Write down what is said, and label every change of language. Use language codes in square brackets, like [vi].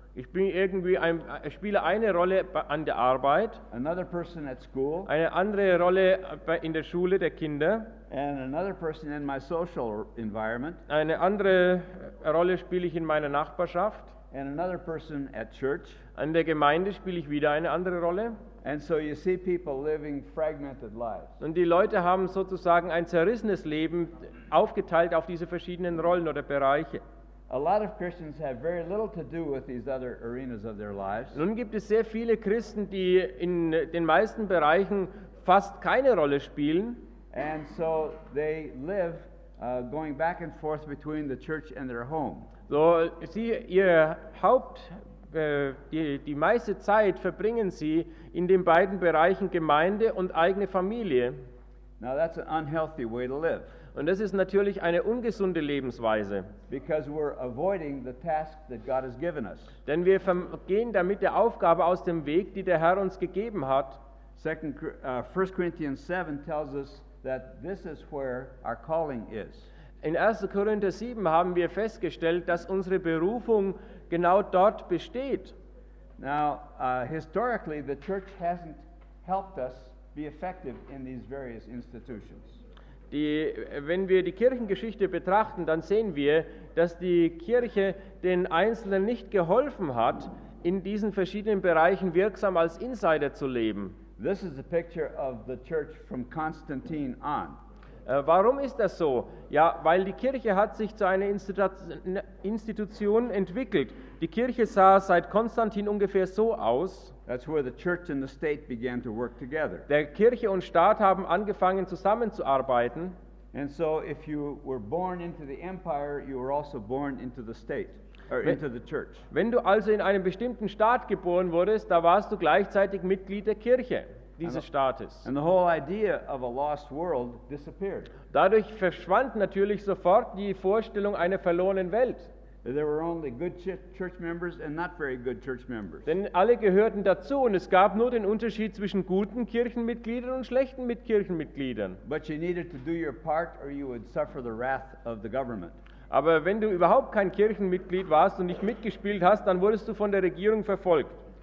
[de] Ich bin irgendwie spiele eine Rolle an der Arbeit, [en] another person at school, [de] eine andere Rolle in der Schule der Kinder, [en] and another person in my social environment, [de] eine andere Rolle spiele ich in meiner Nachbarschaft, [en] and another person at church, [de] an der Gemeinde spiele ich wieder eine andere Rolle. [en] And so you see people living fragmented lives. [de] Und die Leute haben sozusagen ein zerrissenes Leben, aufgeteilt auf diese verschiedenen Rollen oder Bereiche. [en] A lot of Christians have very little to do with these other arenas of their lives. [de] Nun gibt es sehr viele Christen, die in den meisten Bereichen fast keine Rolle spielen. [en] And so they live going back and forth between the church and their home. [de] So sie ihr Haupt die meiste Zeit verbringen sie in den beiden Bereichen Gemeinde und eigene Familie. [en] Now that's an unhealthy way to live. [de] Und das ist natürlich eine ungesunde Lebensweise. [en] Because we're avoiding the task that God has given us. [de] Denn wir gehen damit der Aufgabe aus dem Weg, die der Herr uns gegeben hat. [en] 1 Corinthians 7 tells us that this is where our calling is. [de] In 1. Korinther 7 haben wir festgestellt, dass unsere Berufung genau dort besteht. [en] Now, historically, the church hasn't helped us be effective in these various institutions. [de] Wenn wir die Kirchengeschichte betrachten, dann sehen wir, dass die Kirche den Einzelnen nicht geholfen hat, in diesen verschiedenen Bereichen wirksam als Insider zu leben. [en] This is a picture of the church from Constantine on. [de] Warum ist das so? Ja, weil die Kirche hat sich zu einer Institution entwickelt. Die Kirche sah seit Konstantin ungefähr so aus. [en] That's where the church and the state began to work together. [de] Der Kirche und Staat haben angefangen zusammenzuarbeiten. [en] And so if you were born into the empire, you were also born into the state. [de] Wenn du also in einem bestimmten Staat geboren wurdest, da warst du gleichzeitig Mitglied der Kirche dieses Staates. [en] And the whole idea of a lost world disappeared. [de] Dadurch verschwand natürlich sofort die Vorstellung einer verlorenen Welt. [en] There were only good church members and not very good church members. [de] Denn alle gehörten dazu und es gab nur den Unterschied zwischen guten Kirchenmitgliedern und schlechten Kirchenmitgliedern. [en] But you needed to do your part or you would suffer the wrath of the government. [de] Aber wenn du überhaupt kein Kirchenmitglied warst und nicht mitgespielt hast, dann wurdest du von der Regierung verfolgt.